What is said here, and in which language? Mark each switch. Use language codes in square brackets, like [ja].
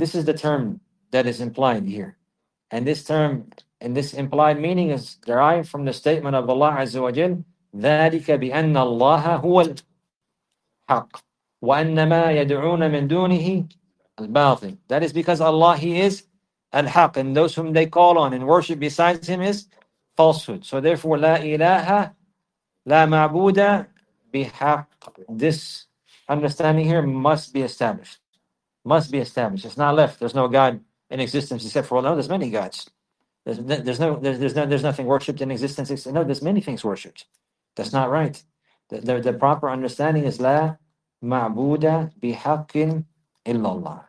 [en] This is the term that is implied here. And this term and this implied meaning is derived from the statement of Allah Azza wa Jal, [ar] ذَٰلِكَ بِأَنَّ اللَّهَ هُوَ الْحَقِّ وَأَنَّمَا يَدْعُونَ مِن دُونِهِ الْبَاطِلِ. [en] That is because Allah, He is al-haq, and those whom they call on and worship besides Him is falsehood. [ar] So therefore, لَا إِلَهَ لَا مَعْبُودَ بِحَقِّ. [en] This understanding here must be established. Must be established. It's not left. There's no God in existence except for Allah. No, there's many gods. There's nothing worshipped in existence. No, there's many things worshipped. That's not right. The proper understanding is [ar] la ma'buda bihaqin illallah.